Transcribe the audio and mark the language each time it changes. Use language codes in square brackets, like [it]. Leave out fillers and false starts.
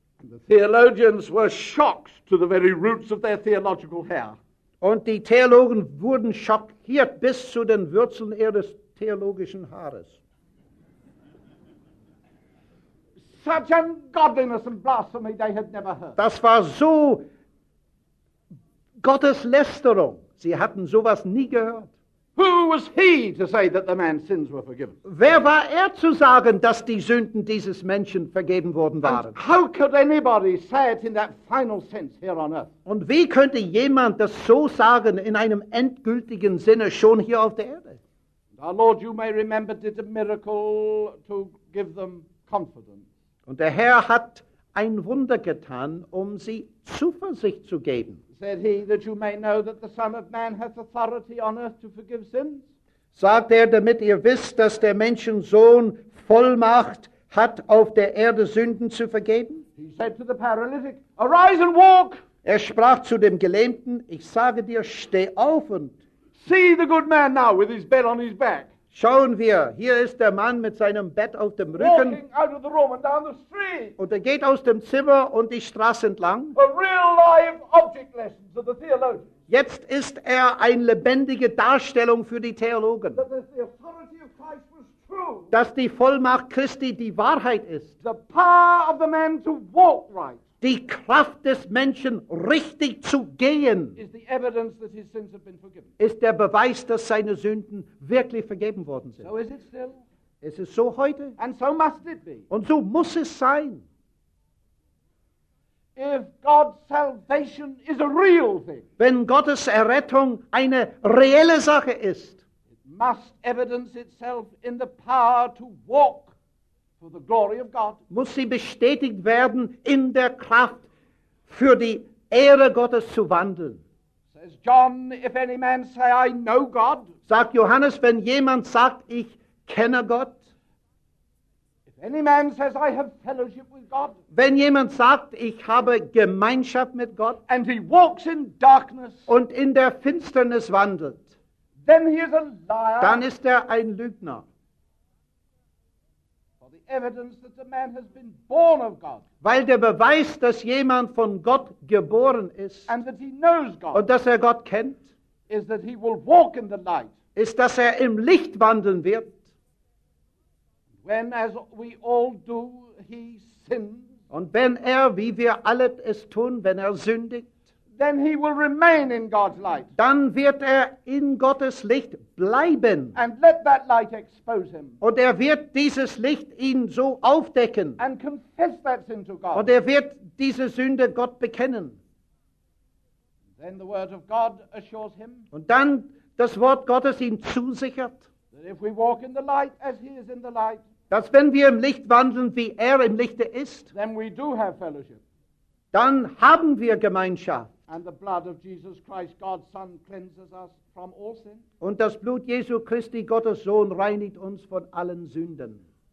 [en] The theologians were shocked to the very roots of their theological hair. [de] Und die Theologen wurden schockiert bis zu den Wurzeln ihres theologischen Haares. [en] Such ungodliness and blasphemy they had never heard. [de] Das war so Gotteslästerung. Sie hatten sowas nie gehört. [en] Who was he to say that the man's sins were forgiven? [de] Wer war zu sagen, dass die Sünden dieses Menschen vergeben worden waren? [en] And how could anybody say it in that final sense here on earth? [de] Und wie könnte jemand das so sagen in einem endgültigen Sinne schon hier auf der Erde? [en] Our Lord, you may remember, did a miracle to give them confidence. [de] Und der Herr hat ein Wunder getan, um sie Zuversicht zu geben. [en] Said he, that you may know that the Son of Man hath authority on earth to forgive sins. [de] Sagt damit ihr wisst, dass der Menschensohn Vollmacht hat, auf der Erde Sünden zu vergeben. [en] He said to the paralytic, arise and walk. [de] Sprach zu dem Gelähmten, ich sage dir, steh auf und [en] see the good man now with his bed on his back. [de] Schauen wir, hier ist der Mann mit seinem Bett auf dem Rücken. [en] Walking out of the room and down the street. [de] Und geht aus dem Zimmer und die Straße entlang. [en] A real live object lesson to the theologians. [de] Jetzt ist eine lebendige Darstellung für die Theologen. [en] That the authority of Christ was true. [de] Dass die Vollmacht Christi die Wahrheit ist. [en] The power of the man to walk right. [de] Die Kraft des Menschen, richtig zu gehen, [en] is the evidence that his sins have been forgiven. [de] Ist der Beweis, dass seine Sünden wirklich vergeben worden sind. [en] So is it still. [de] Es ist so heute. [en] And so must it be. [de] Und so muss es sein. [en] If God's salvation is a real thing, [de] wenn Gottes Errettung eine reelle Sache ist, [en] it must evidence itself in the power to walk. For the glory of God. [de] Muss sie bestätigt werden in der Kraft, für die Ehre Gottes zu wandeln. [en] Says John, if any man say, I know God. [de] Sagt Johannes, wenn jemand sagt, ich kenne Gott. [en] If any man says, I have fellowship with God. [de] Wenn jemand sagt, ich habe Gemeinschaft mit Gott. [en] And he walks in darkness. [de] Und in der Finsternis wandelt. [en] Then he is a liar. [de] Dann ist ein Lügner. [en] Evidence that the man has been born of God. [de] Weil der Beweis, dass jemand von Gott geboren ist, [en] and that he knows God, [de] und dass Gott kennt, [en] is that he will walk in the light. [de] Ist, dass im Licht wandeln wird. [en] When, as we all do, he sins. [de] Und wenn wie wir alle es tun, wenn sündigt, [en] then he will remain in God's light. [de] Dann wird in Gottes Licht bleiben. [en] And let that light expose him. [de] Und wird dieses Licht ihn so aufdecken. [en] And confess that sin to God. [de] Und wird diese Sünde Gott bekennen. [en] Then the word of God assures him. [de] Und dann das Wort Gottes ihn zusichert. [en] That if we walk in the light as he is in the light. [de] Dass wenn wir im Licht wandeln, wie im Lichte ist. [en] Then we do have fellowship. [de] Dann haben wir Gemeinschaft. [en] And the blood of Jesus Christ, God's Son, cleanses us from all sin. [de] Und das Blut Jesu Christi, Gottes Sohn, reinigt uns von allen Sünden.